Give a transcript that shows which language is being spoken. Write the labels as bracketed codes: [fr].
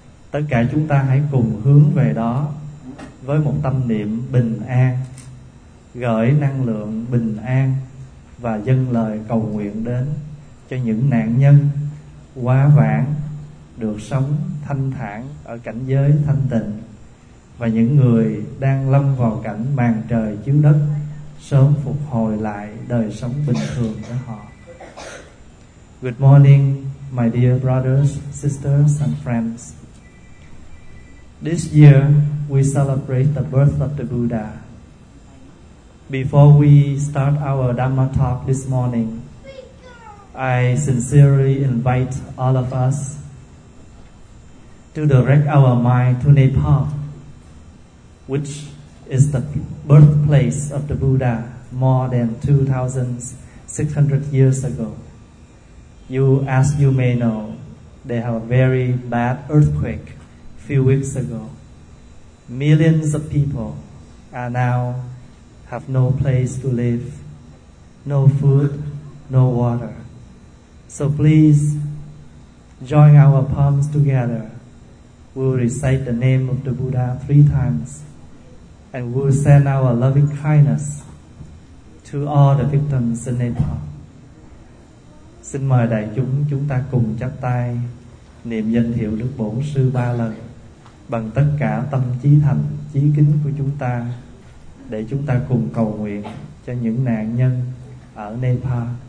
[vi] Tất cả chúng ta hãy cùng hướng về đó với một tâm niệm bình an, gửi năng lượng bình an và dâng lời cầu nguyện đến cho những nạn nhân quá vãng được sống thanh thản ở cảnh giới thanh tịnh, và những người đang lâm vào cảnh màn trời chiếu đất sớm phục hồi lại đời sống bình thường của họ. [en] Good morning, my dear brothers, sisters and friends. This year we celebrate the birth of the Buddha. Before we start our Dhamma talk this morning, I sincerely invite all of us to direct our mind to Nepal, which is the birthplace of the Buddha more than 2,600 years ago. You, as you may know, they have a very bad earthquake a few weeks ago. Millions of people are now have no place to live, no food, no water. So please join our palms together. We'll recite the name of the Buddha 3 times, and we'll send our loving kindness to all the victims in Nepal. [vi] Xin mời đại chúng chúng ta cùng chắp tay niệm danh hiệu Đức Bổn Sư 3 lần bằng tất cả tâm chí thành, chí kính của chúng ta, để chúng ta cùng cầu nguyện cho những nạn nhân ở Nepal.